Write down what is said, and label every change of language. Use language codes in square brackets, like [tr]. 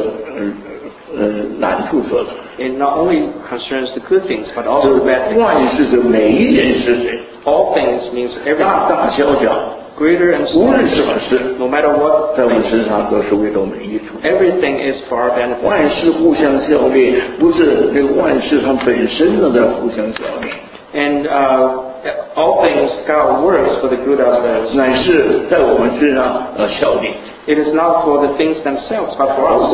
[zh] 不仅指着我们顺利说的，也指着我们被那个难处说的。 [en] It not only concerns the good things, but also the bad things. [zh] 万事是每一件事情。 [en] All things means everything. [zh] 大大小小。 [en] Greater and [zh] smaller, 无论什么事, [en] no matter what, [zh] 在我们身上都是为了我们益处。 [en] Everything is for our benefit. [zh] 万事互相效力, 不是那个万事它本身的互相效力。 [en] And all things God works for the good of us. [zh] 乃是在我们身上, [en] it is not for the things themselves, but for us.